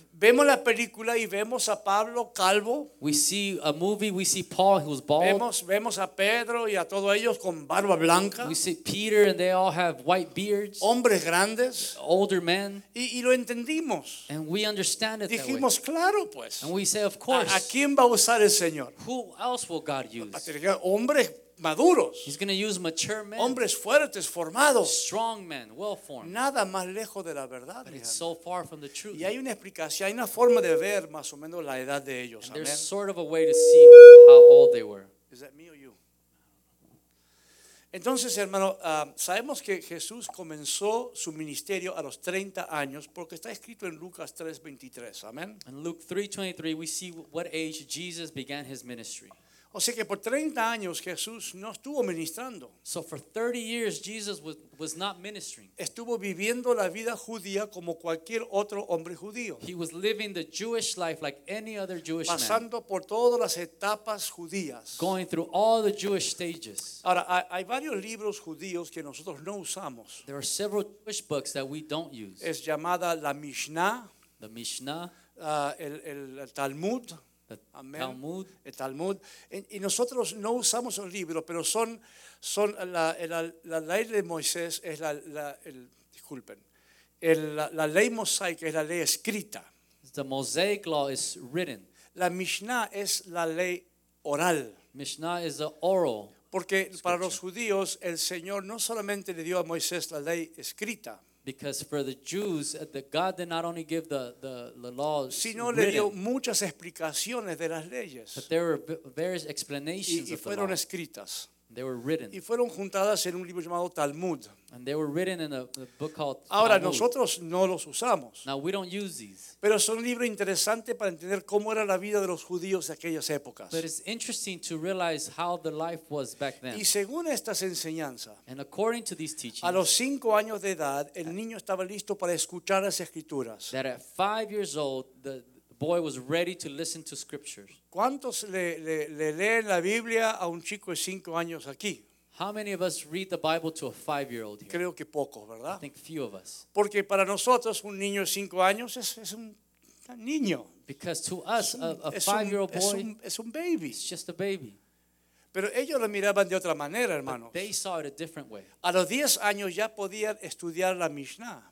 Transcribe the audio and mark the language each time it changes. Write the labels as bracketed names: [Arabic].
[Spanish] Vemos la película y vemos a Pablo calvo. [English] We see a movie, we see Paul who's bald. [Spanish] Vemos a Pedro y a todos ellos con barba blanca. [English] We see Peter and they all have white beards. [Spanish] Hombres grandes. [English] Older men. [Spanish] Y lo entendimos. [English] And we understand it. [Spanish] Dijimos claro pues. [English] And we say of course. [Spanish] ¿A quién va a usar el Señor? [English] Who else will God use? [Spanish] Hombres maduros. [English] He's going to use mature men. [Spanish] Hombres fuertes, formados. [English] Strong men, well formed. [Spanish] Nada más lejos de la verdad. [English] But it's so far from the truth. [Spanish] Y hay una explicación, hay una forma de ver más o menos la edad de ellos. [English] And there's sort of a way to see how old they were. Is that me or you? [Spanish] Entonces, hermano, sabemos que Jesús comenzó su ministerio a los 30 años porque está escrito en Lucas 3:23. Amén. [English] In Luke 3:23 we see what age Jesus began his ministry. [Spanish] O sea que por 30 años Jesús no estuvo ministrando. [English] So for 30 years Jesus was not ministering. [Spanish] Estuvo viviendo la vida judía como cualquier otro hombre judío. [English] He was living the Jewish life like any other Jewish man. [Spanish] Pasando por todas las etapas judías. [English] Going through all the Jewish stages. [Spanish] Ahora, hay varios libros judíos que nosotros no usamos. [English] There are several Jewish books that we don't use. [Spanish] Es llamada la Mishnah. [English] The Mishnah. [Spanish] El Talmud. [English] Talmud. [Spanish] El Talmud. Y nosotros no usamos los libros, pero son la ley de Moisés es la ley mosaica es la ley escrita. [English] The Mosaic law is written. [Spanish] La Mishnah es la ley oral. [English] Mishnah is the oral. [Spanish] Porque scripture. Para los judíos el Señor no solamente le dio a Moisés la ley escrita. [English] Because for the Jews, God did not only give the laws, [Spanish] sino [English] written, [Spanish] le dio muchas explicaciones de las leyes. [English] But there were various explanations [Spanish] y [English] of the law. [Spanish] Escritas. [English] They were written. [Spanish] Y fueron juntadas en un libro llamado Talmud. [English] And they were written in a book called Talmud. [Spanish] Ahora nosotros no los usamos. [English] Now we don't use these. [Spanish] Pero son libros interesantes para entender cómo era la vida de los judíos de aquellas épocas. [English] But it's interesting to realize how the life was back then. [Spanish] Y según estas enseñanzas, [English] and according to these teachings, [Spanish] a los 5 años de edad el niño estaba listo para escuchar las escrituras. [English] That at 5 years old the boy was ready to listen to scriptures. [Spanish] ¿Cuántos le leen la Biblia a un chico de 5 años aquí? [English] How many of us read the Bible to a 5-year-old here? [Spanish] Creo que pocos, ¿verdad? [English] I think few of us. [Spanish] Porque para nosotros un niño de 5 años es un niño. [English] Because to us a 5-year-old boy [Spanish] es un baby. [English] It's just a baby. [Spanish] Pero ellos lo miraban de otra manera, hermanos. [English] But they saw it a different way. [Spanish] A los 10 años ya podían estudiar la Mishnah.